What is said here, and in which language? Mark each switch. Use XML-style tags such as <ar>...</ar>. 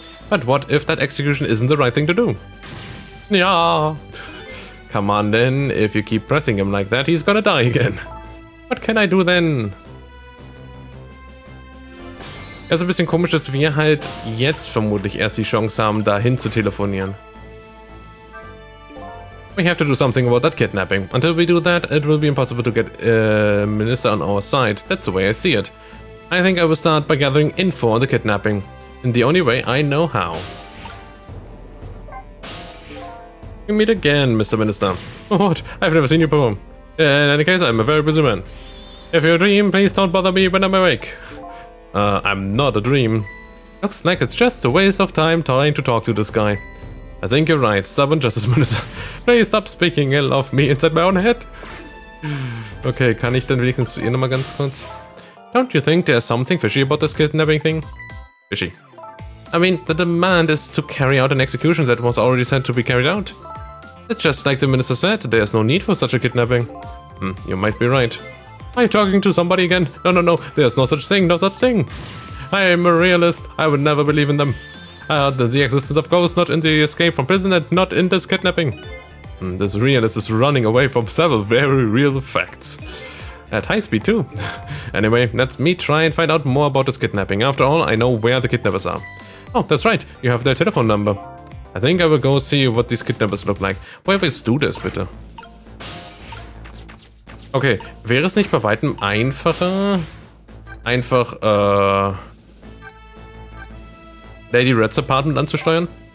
<en>But what if that execution isn't the right thing to do? Yeah. Come on then, if you keep pressing him like that, he's gonna die again. What can I do then?</en> <de>Ja, so ein bisschen komisch, dass wir halt jetzt vermutlich erst die Chance haben, dahin zu telefonieren.</de> <en>We have to do something about that kidnapping. Until we do that, it will be impossible to get a minister on our side. That's the way I see it. I think I will start by gathering info on the kidnapping. In the only way I know how. We meet again, Mr. Minister. What? I've never seen you before. In any case, I'm a very busy man. If you're a dream, please don't bother me when I'm awake. I'm not a dream. Looks like it's just a waste of time trying to talk to this guy. I think you're right, stubborn Justice Minister. Please stop speaking ill of me inside my own head.</en> <de>Okay, kann ich dann wenigstens zu ihr nochmal ganz kurz?</de> <en>Don't you think there's something fishy about this kidnapping thing? Fishy. I mean, the demand is to carry out an execution that was already said to be carried out. It's just like the minister said, there's no need for such a kidnapping. You might be right. Are you talking to somebody again? No, there's no such thing, not that thing. I am a realist, I would never believe in them. The existence of ghosts, not in the escape from prison and not in this kidnapping. This realist is running away from several very real facts. At high speed too. Anyway, let me try and find out more about this kidnapping. After all, I know where the kidnappers are. Oh, that's right, you have their telephone number. I think I will go see what these kidnappers look like. Why don't we do this, bitte?</en> <de>Okay, wäre es nicht bei weitem einfacher, einfach, Lady Red's Apartment anzusteuern?</de>